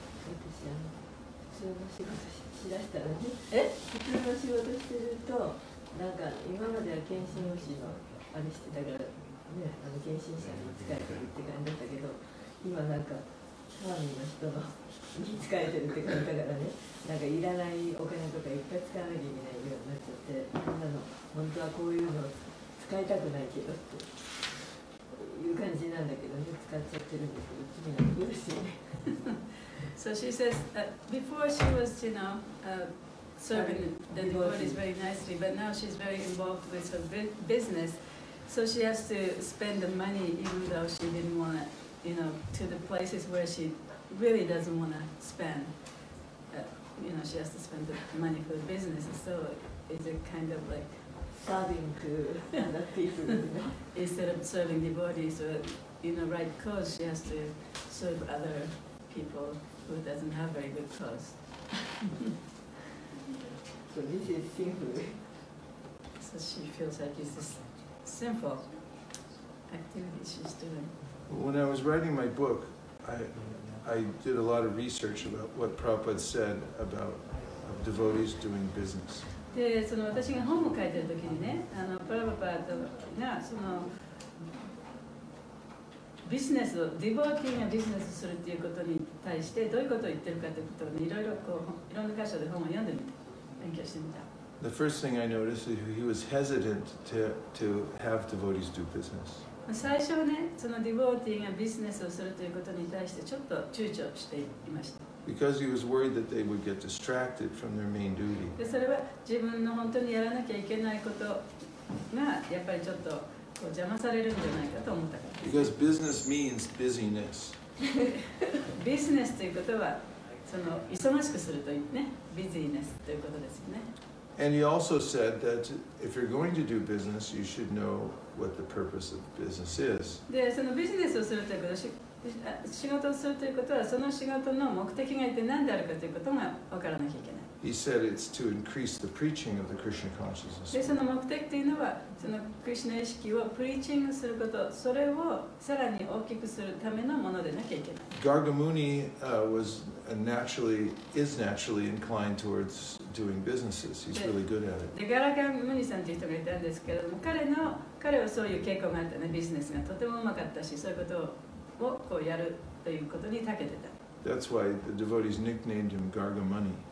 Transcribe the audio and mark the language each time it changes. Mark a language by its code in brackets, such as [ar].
[ja] 私、普通の仕事してるとなんか今までは献身用紙のあれしてたから、ね、あの献身者に使えてるって感じだったけど、今なんかファミの人のに使えてるって感じだからね、なんかいらないお金とかいっぱい使わなきゃいけないようになっちゃって、こんなの本当はこういうの使いたくないけどっていう感じなんだけどね、使っちゃってるんですけど気になるしね。 [en] So she says before she was, you know, serving the devotees very nicely, but now she's very involved with her business, so she has to spend the money even though she didn't want it. You know, to the places where she really doesn't want to spend. You know, she has to spend the money for the business. So, is it kind of like serving to other people instead of serving devotees? Or, you know, right cause, she has to serve other people who doesn't have very good cause. So this is sinful. So she feels like it's a sinful activity she's doing. When I was writing my book, I did a lot of research about what Prabhupada said about devotees doing business. [ja] で、その私が本を書いてる時にね、あのプラヴァパートがそのビジネスを、ディボーティーがビジネスするっていうことに対してどういうことを言ってるかということに、ね、いろいろこういろんな箇所で本を読んでみて勉強してみた。 [en] The first thing I noticed is he was hesitant to have devotees do business. [ja] 最初ね、そのディボーティーがビジネスをするということに対してちょっと躊躇していました。 [en] Because he was worried that they would get distracted from their main duty. [ja] で、それは自分の本当にやらなきゃいけないことがやっぱりちょっとこう邪魔されるんじゃないかと思ったから。 [en] Because business means busyness. [ja] ビジネスということはその忙しくするというね、ビジネスということですよね。 [en] And he also said that if you're going to do business, you should know what the purpose of business is. [ja] で、そのビジネスをするということ、仕事をするということは、その仕事の目的が一体何であるかということが分からなきゃいけない。 [en] He said it's to increase the preaching of the Krishna consciousness. [ja] で、その目的というのは、そのクリシナ意識をプリーチングすること、それをさらに大きくするためのものでなきゃいけない。 [en] Garga Muni was naturally, is naturally inclined towards doing businesses. He's really good at it. [ja] で、ガラガムニさんという人がいたんですけれども、彼はそういう傾向があったね。ビジネスがとてもうまかったし、そういうことをこうやるということに長けてた。 [en] That's why the devotees nicknamed him Garga Muni.